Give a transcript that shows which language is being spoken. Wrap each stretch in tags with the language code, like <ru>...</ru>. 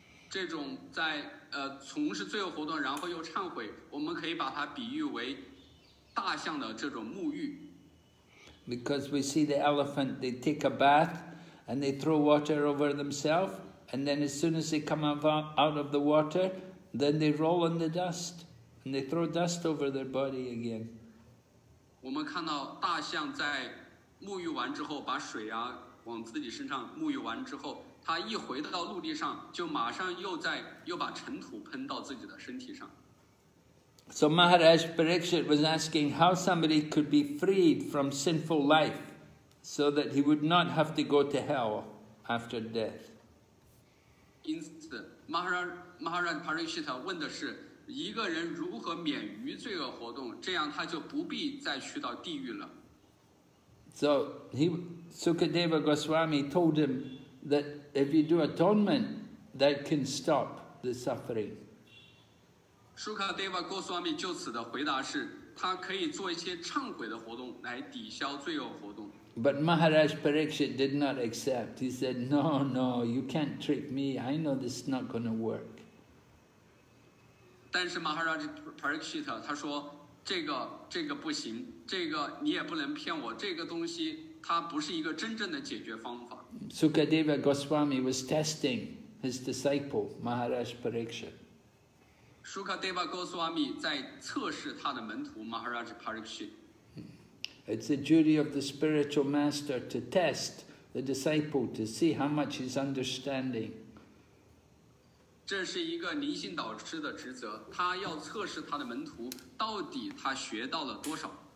<zh>这种在从事罪恶活动，然后又忏悔，我们可以把它比喻为大象的这种沐浴。</zh> <en>Because we see the elephant, they take a bath, and they throw water over themselves, and then as soon as they come out of the water, then they roll in the dust, and they throw dust over their body again.</en> <zh>我们看到大象在沐浴完之后，把水啊往自己身上沐浴完之后，它一回到陆地上，就马上又把尘土喷到自己的身体上。</zh> <en>So Maharaj Parikshit was asking how somebody could be freed from sinful life, so that he would not have to go to hell after death.</en> <zh>因此 ，Maharaj Parikshit 问的是。一个人如何免于罪恶活动，这样他就不必再去到地狱了。</zh> <en>So Sukadeva Goswami told him that if you do atonement, that can stop the suffering.</en> <zh>Sukadeva Goswami 就此的回答是，他可以做一些忏悔的活动来抵消罪恶活动。</zh> <en>But Maharaj Parikshit did not accept. He said, "No, no, you can't trick me. I know this is not going to work."</en> <zh>但是 Maharaj Parikshit 他说这个不行，这个你也不能骗我，这个东西它不是一个真正的解决方法。</zh> <en>Sukadeva Goswami was testing his disciple Maharaj Parikshit.</en> <zh>Sukadeva Goswami 在测试他的门徒 Maharaj Parikshit.</zh> <en>It's the duty of the spiritual master to test the disciple to see how much he's understanding.</en> <zh>这是一个灵性导师的职责，他要测试他的门徒到底他学到了多少。</zh>